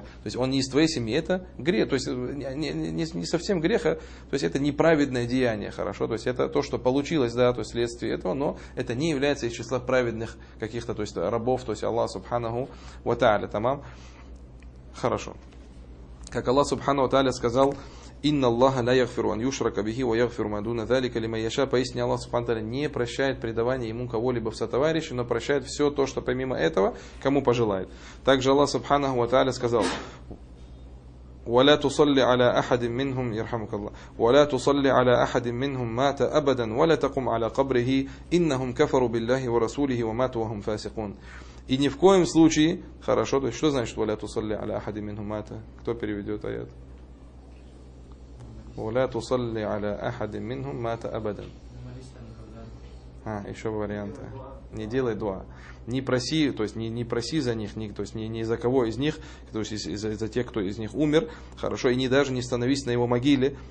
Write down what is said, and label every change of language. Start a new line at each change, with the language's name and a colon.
Russian: То есть, он не из твоей семьи, это грех, то есть, не совсем грех, а, то есть, это неправедное деяние, хорошо, то есть, это то, что получилось, да, то есть, вследствие этого, но это не является из числа праведных каких-то, то есть, рабов, то есть, Аллах Субхану ва Тааля. Тамам. Хорошо. Как Аллах Субхану ва Тааля сказал: «Инна Аллаха ля яхфиру ан юшрака бихи ва яхфиру ма дуна залика лиман яша». Поистине Аллах Субхану ва Тааля не прощает предавание ему кого-либо в сотоварищи, но прощает все то, что помимо этого, кому пожелает.
Arabic: Также Аллах Субхану ва Тааля сказал: ولا تصلي على احد منهم يرحمك الله ولا تصلي على احد منهم مات ابدا ولا تقم على قبره انهم كفروا بالله ورسوله وماتوا وهم فاسقون.
Russian: И ни в коем случае, хорошо, то есть что значит ولا تصلي على احد منهم مات? Кто переведет аят?
Arabic: ولا تصلي على احد منهم مات ابدا.
Russian: Еще варианты. Не делай дуа. Не проси, то есть не проси за них, то есть не за кого из них, то есть за тех, кто из них умер, хорошо, и не становись на его могиле.